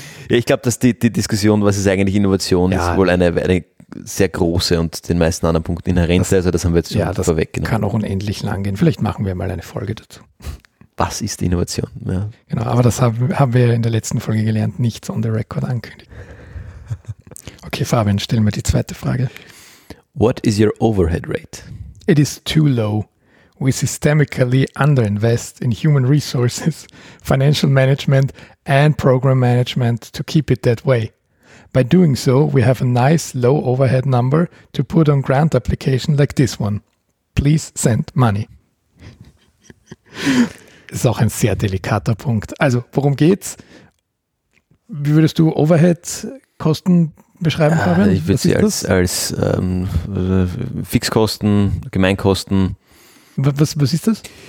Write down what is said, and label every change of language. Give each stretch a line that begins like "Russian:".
German: Ja, ich glaube, dass die Diskussion, was ist eigentlich Innovation, ja, ist wohl eine sehr große und den meisten anderen Punkten inhärent. Das, also das haben wir jetzt schon vorweggenommen. Das kann auch unendlich lang gehen. Vielleicht machen wir mal eine Folge dazu. Was ist Innovation? Ja. Genau, aber das haben wir in der letzten Folge gelernt, nichts
English: on the record
German: ankündigen. Okay, Fabian, stellen wir die zweite Frage.
English: What is your overhead rate? It is too low. We systemically underinvest in human resources, financial management and program management to keep it that way. By doing so, we have a nice low overhead number to put on grant application like this one. Please send money.
German: Das ist auch ein sehr delikater Punkt. Also, worum geht's? Wie würdest du Overhead-Kosten beschreiben, Fabian? Ich würde sie als Fixkosten, Gemeinkosten. Was ist das?